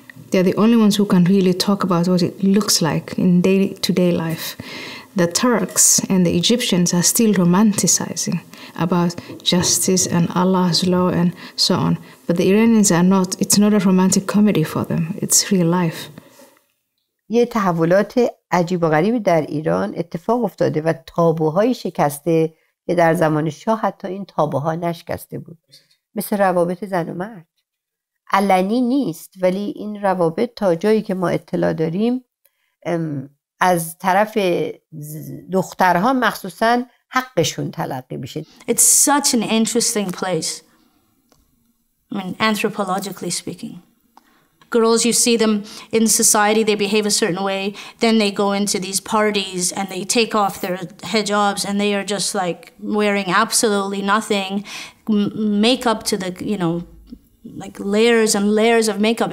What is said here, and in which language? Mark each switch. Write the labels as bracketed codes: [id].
[en] They are the only ones who can really talk about what it looks like in day-to-day life. The Turks and the Egyptians are still romanticizing about justice and Allah's law and so on. But the Iranians are not, it's not a romantic comedy for them. It's real life. [fa] یه تحولات عجیب و غریبی در ایران اتفاق افتاده و تابوهای شکسته که در زمان شاه حتی این تابوها نشکسته بود. مثل روابط زن و مرد. علنی نیست، ولی این روابط تا جایی که ما اطلاع داریم از طرف دخترها مخصوصا حقشون تلقی میشه. [en] It's such an interesting place. I mean, anthropologically speaking. Girls, you see them in society, they behave a certain way, then they go into these parties and they take off their hijabs and they are just like wearing absolutely nothing, makeup to the, you know, like layers and layers of makeup.